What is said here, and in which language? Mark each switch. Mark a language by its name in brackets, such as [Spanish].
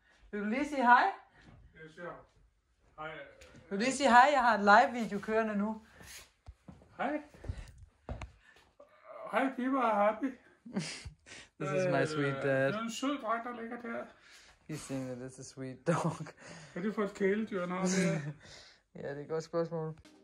[Danish] Vil du lige sige hej? Jeg siger hej. Vil du lige sige hej? Jeg har en live-video kørende nu. Hej. Hej, Pippa og Happy. [English] This is my sweet dad. [Danish] Det er en sød dreng, der ligger der. [English] He's saying that this is a sweet dog. [Danish] Er det for et kæledyr, når han er? Ja, det er et godt spørgsmål.